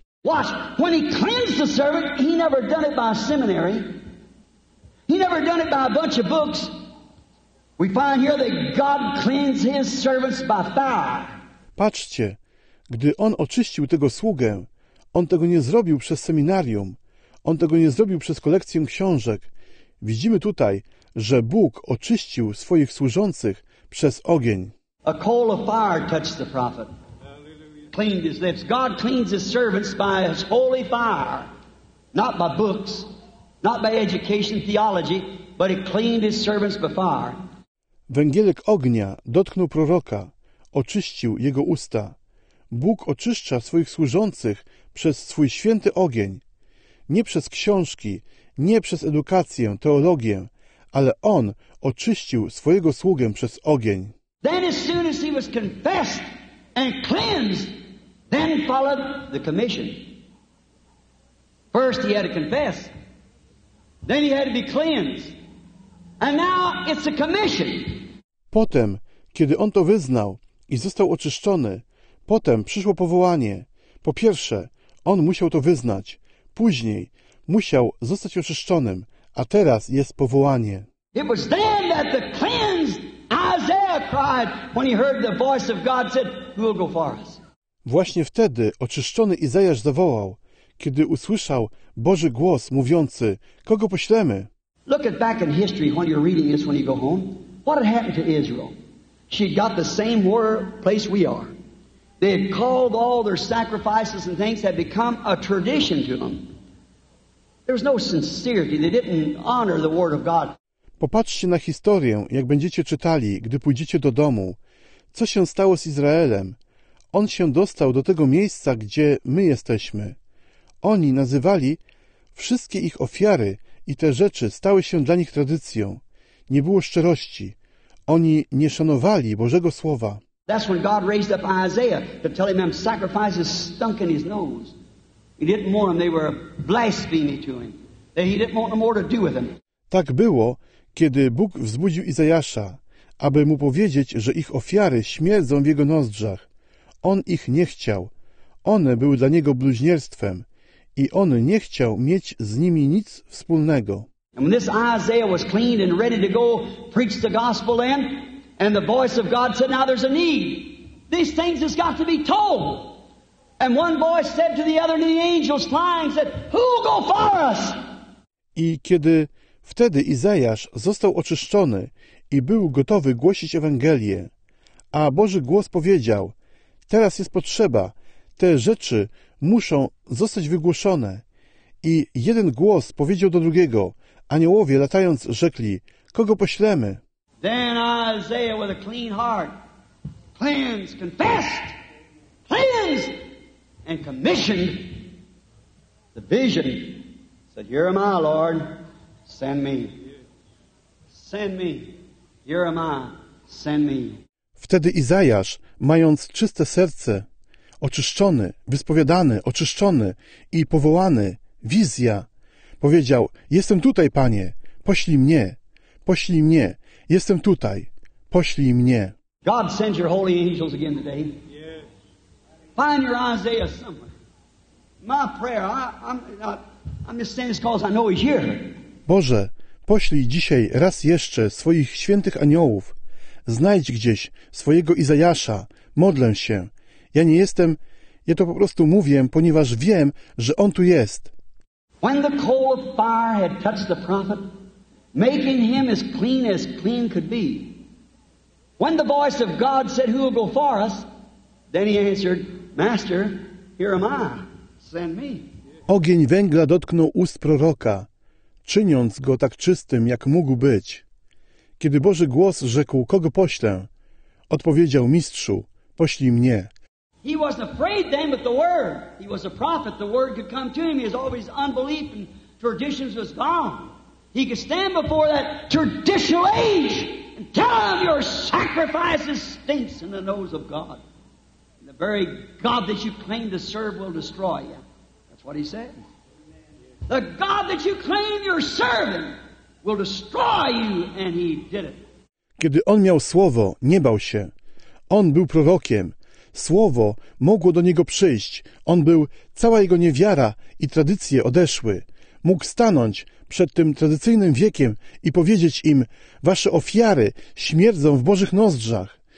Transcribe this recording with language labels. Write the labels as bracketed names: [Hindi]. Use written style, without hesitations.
[English] Watch, when he cleansed the servant, he never done it by a seminary. He never done it by a bunch of books. We find here that God cleans his servants by fire. [Polish] Patrzcie, gdy On oczyścił tego sługę, On tego nie zrobił przez seminarium. On tego nie zrobił przez kolekcję książek. Widzimy tutaj, że Bóg oczyścił swoich służących przez ogień. [English] A coal of fire touched the prophet. Cleaned his lips. God cleans his servants by his holy fire, not by books, not by education, theology, but he cleaned his servants by fire. [Polish] Węgielek ognia dotknął proroka, oczyścił jego usta. Bóg oczyszcza swoich służących przez swój święty ogień, nie przez książki, nie przez edukację, teologię, ale On oczyścił swojego sługę przez ogień. [English] Then as soon as he was confessed and cleansed, then followed the commission. First he had to confess, then he had to be cleansed, and now it's a commission. [Polish] Potem, kiedy on to wyznał i został oczyszczony, potem przyszło powołanie. Po pierwsze, on musiał to wyznać. Później musiał zostać oczyszczonym, a teraz jest powołanie. [English] It was then that the cleansed Isaiah cried when he heard the voice of God said, "Who will go for us?" [Polish] Właśnie wtedy oczyszczony Izajasz zawołał, kiedy usłyszał Boży głos mówiący, kogo poślemy? [English] Look at back in history when you're reading this when you go home. What had happened to Israel? She'd got the same word place we are. They had called all their sacrifices and things had become a tradition to them. There was no sincerity. They didn't honor the word of God. [Polish] Popatrzcie na historię, jak będziecie czytali, gdy pójdziecie do domu. Co się stało z Izraelem? On się dostał do tego miejsca, gdzie my jesteśmy. Oni nazywali wszystkie ich ofiary i te rzeczy stały się dla nich tradycją. Nie było szczerości. Oni nie szanowali Bożego Słowa. [English] That's when God raised up Isaiah to tell him sacrifices stunk in his nose. He didn't want them, they were blasphemy to him. That he didn't want no more to do with them. [Polish] Tak było, kiedy Bóg wzbudził Izajasza, aby mu powiedzieć, że ich ofiary śmierdzą w jego nozdrzach. On ich nie chciał. One były dla niego bluźnierstwem i on nie chciał mieć z nimi nic wspólnego. [English] And when this Isaiah was cleaned and ready to go preach the gospel then, and the voice of God said, now there's a need. These things has got to be told. And one voice said to the other, and the angels flying said, who'll go for us? [Polish] I kiedy wtedy Izajasz został oczyszczony i był gotowy głosić Ewangelię, a Boży głos powiedział, teraz jest potrzeba, te rzeczy muszą zostać wygłoszone. I jeden głos powiedział do drugiego, aniołowie latając rzekli, kogo poślemy? [English] Then Isaiah with a clean heart, cleansed, confessed, cleansed, and commissioned the vision. Said, here am I, Lord, send me. Send me, here am I, send me. [Polish] Wtedy Izajasz, mając czyste serce, oczyszczony, wyspowiadany, oczyszczony i powołany, wizja, powiedział, jestem tutaj, Panie, poślij mnie, jestem tutaj, poślij mnie. [English] God sends your holy angels again today. Yes. Find your Isaiah somewhere. My prayer, I'm just saying this because I know he's here. [Polish] Boże, poślij dzisiaj raz jeszcze swoich świętych aniołów. Znajdź gdzieś swojego Izajasza, modlę się. Ja nie jestem, ja to po prostu mówię, ponieważ wiem, że on tu jest. [English] When the coal of fire had touched the prophet, making him as clean could be. When the voice of God said, who will go for us? Then he answered, Master, here am I, send me. [Polish] Ogień węgla dotknął ust proroka, czyniąc go tak czystym, jak mógł być. Kiedy Boży głos rzekł, kogo poślę? Odpowiedział, Mistrzu, poślij mnie. [English] He wasn't afraid then with the word. He was a prophet. The word could come to him. His always unbelief and traditions was gone. He could stand before that traditional age and tell him your sacrifices stinks in the nose of God. And the very God that you claim to serve will destroy you. That's what he said. The God that you claim you're serving will destroy you. And he did it. [Polish] Kiedy on miał słowo, nie bał się. On był prorokiem. Słowo mogło do niego przyjść. On był, cała jego niewiara i tradycje odeszły. Mógł stanąć przed tym tradycyjnym wiekiem i powiedzieć im, wasze ofiary śmierdzą w Bożych nozdrzach.